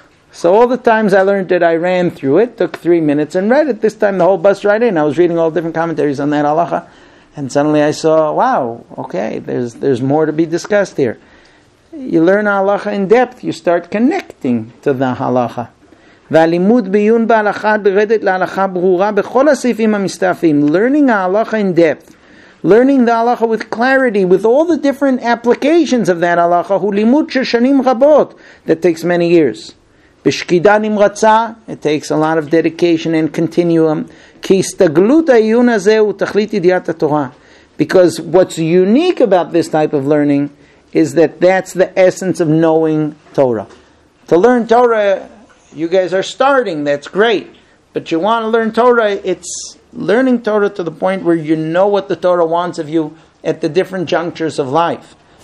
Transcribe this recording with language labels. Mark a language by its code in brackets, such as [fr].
[en] So all the times I learned it, I ran through it, took 3 minutes and read it. This time the whole bus ride in, I was reading all different commentaries on that halacha, and suddenly I saw, wow, okay, there's more to be discussed here. You learn halacha in depth, you start connecting to the halacha. [he] והלימוד ביון בהלכה ברדת להלכה ברורה בכל הסעיפים המסתפים. [en] Learning halacha in depth, learning the halacha with clarity, with all the different applications of that halacha, [he] הוא לימוד של שנים רבות, [en] that takes many years. [he] בשקידה נמרצה, [en] it takes a lot of dedication and continuum. [he] כי הסתגלות העיון הזה הוא תכלית ידיעת התורה. [en] Because what's unique about this type of learning is that that's the essence of knowing Torah. To learn Torah, you guys are starting, that's great. But you want to learn Torah, it's learning Torah to the point where you know what the Torah wants of you at the different junctures of life.